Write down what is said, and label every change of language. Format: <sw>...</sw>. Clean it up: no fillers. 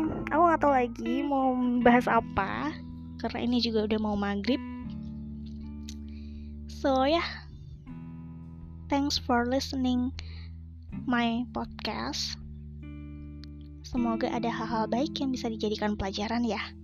<id>Aku gak tahu lagi mau bahas apa, karena ini juga udah mau maghrib.</id> <en>So ya, yeah, thanks for listening my podcast.</en> <id>Semoga ada hal-hal baik yang bisa dijadikan pelajaran ya.</id>